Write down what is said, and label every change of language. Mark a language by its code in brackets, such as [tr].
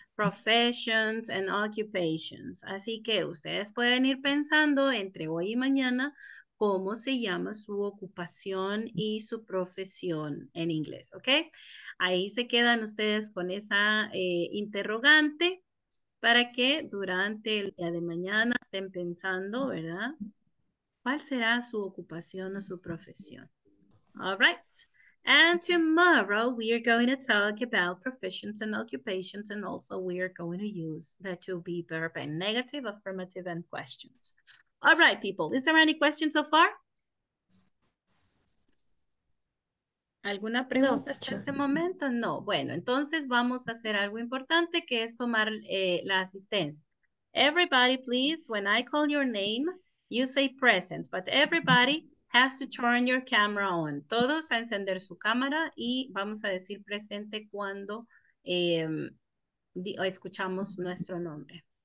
[en] Professions and occupations. [es] Así que ustedes pueden ir pensando entre hoy y mañana cómo se llama su ocupación y su profesión en inglés, ¿ok? Ahí se quedan ustedes con esa interrogante para que durante el día de mañana estén pensando, ¿verdad? ¿Cuál será su ocupación o su profesión? [en] All right. And tomorrow we are going to talk about professions and occupations, and also we are going to use the to-be verb and negative, affirmative, and questions. All right, people, is there any questions so far? [es] ¿Alguna pregunta hasta este momento? No. Bueno, entonces vamos a hacer algo importante que es tomar la asistencia. [en] Everybody, please, when I call your name, you say present, but everybody has to turn your camera on. [es] Todos a encender su cámara y vamos a decir presente cuando escuchamos nuestro nombre.